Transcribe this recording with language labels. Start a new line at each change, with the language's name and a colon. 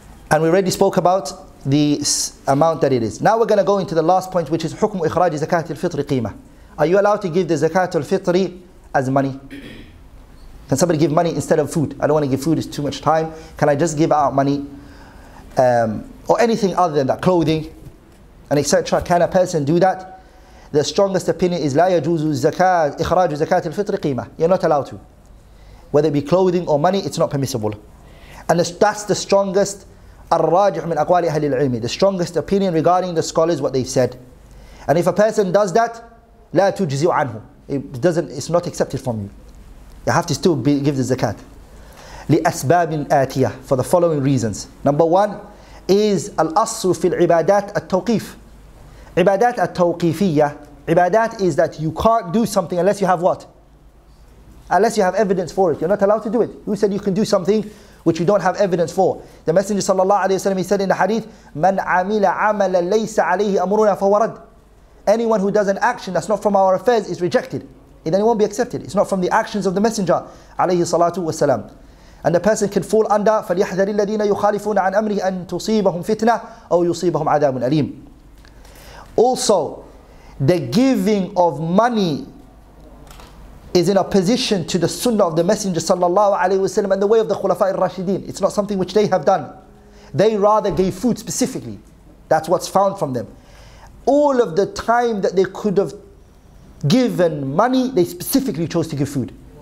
English: And we already spoke about the amount that it is. Now we're going to go into the last point, which is
Arabic: حكم إخراج زكاة الفطر قيمة.
English: Are you allowed to give the زكاة الفطر as money? Can somebody give money instead of food? I don't want to give food, it's too much time. Can I just give out money? Or anything other than that, clothing, and etc. Can a person do that? The strongest opinion is
Arabic: لا يجوز زكاة إخراج زكاة الفطر قيمة.
English: You're not allowed to. Whether it be clothing or money, it's not permissible. And that's the strongest
Arabic: الراجح من أقوال أهل العلم,
English: the strongest opinion regarding the scholars what they've said. And if a person does that,
Arabic: لا تجزي عنه,
English: it doesn't, it's not accepted from you. You have to still be, give the zakat.
Arabic: لأسباب آتية,
English: for the following reasons. Number one is
Arabic: الأصل في العبادات التوقيف. عبادات التوقيفية.
English: عبادات is that you can't do something unless you have what? Unless you have evidence for it, you're not allowed to do it. Who said you can do something which you don't have evidence for? The Messenger sallallahu alayhi wa sallam, he said in the hadith,
Arabic: من عمل عملا ليس عليه أمرنا فهو رد.
English: Anyone who does an action that's not from our affairs is rejected. Then it won't be accepted. It's not from the actions of the Messenger عليه الصلاة والسلام. And the person can fall under,
Arabic: فليحذر الذين يخالفون عن أمره أن تصيبهم فتنة أو يصيبهم عذاب أليم.
English: Also, the giving of money is in opposition to the sunnah of the Messenger sallallahu alayhi wa sallam and the way of the Khulafa al-Rashideen. It's not something which they have done. They rather gave food specifically. That's what's found from them. All of the time that they could have given money, they specifically chose to give food.